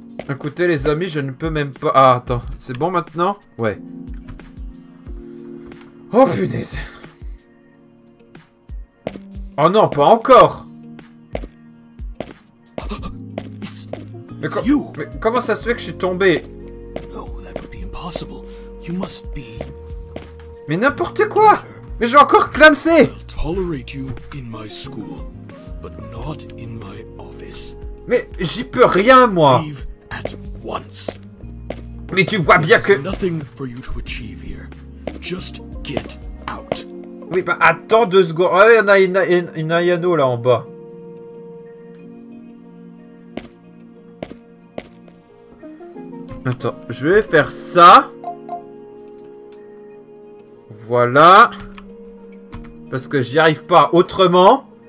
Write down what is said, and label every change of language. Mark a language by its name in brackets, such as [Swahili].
[French] Écoutez les amis, je ne peux même pas... Ah, attends, c'est bon maintenant? Ouais. Oh punaise. Oh non, pas encore. [English] It's you. [French] Mais comment ça se fait que je suis tombé? [English] No, that would be impossible. You must be... [French] Mais n'importe quoi. Mais j'ai encore clamsé. [English] I'll tolerate you in my school, but not in my office. [French] Mais j'y peux rien, moi. [English] Leave. At once. Mais tu vois bien que... Nothing for you to achieve here. Just get out. [French] Oui, bah attends 2 secondes. Ah, il y en a une Ayano là en bas. Attends, je vais faire ça. Voilà. Parce que j'y arrive pas autrement.